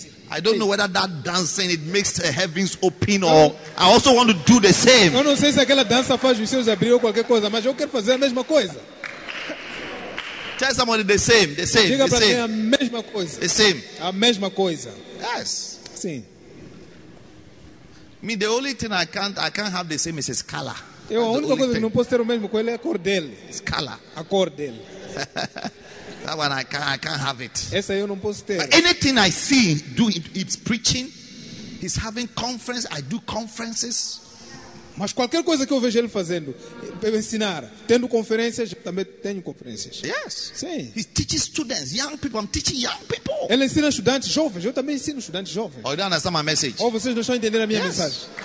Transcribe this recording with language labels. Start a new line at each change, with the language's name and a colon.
English: I don't know whether that dancing it makes the heavens open or I also want to do the same.
Portuguese: Eu não sei se aquela dança faz os céus abrir ou qualquer coisa, mas eu quero fazer a mesma coisa.
English: Tell somebody the same, the same,
Portuguese: diga
English: the same.
Portuguese: Diga para mim a mesma coisa.
English: The same.
Portuguese: A mesma coisa.
English: Yes.
Portuguese: Sim.
English: Me, the only thing I can't have the same is his color.
Portuguese: Eu, a única coisa que não posso ter o mesmo com ele é a cor dele. Scala. A cor dele.
English: That one I can't have it.
Portuguese: Essa eu não posso ter.
English: But anything I see doing, it's preaching, he's having conference, I do conferences.
Portuguese: Mas qualquer coisa que eu vejo ele fazendo, ensinar, tendo conferências, também tenho conferências.
English: Yes.
Portuguese: Sim.
English: He teaches students, young people. I'm teaching young people.
Portuguese: Ele ensina estudantes jovens. Eu também ensino estudantes jovens.
English: Oh, you don't understand my message.
Portuguese: Ou vocês não estão entendendo a minha mensagem?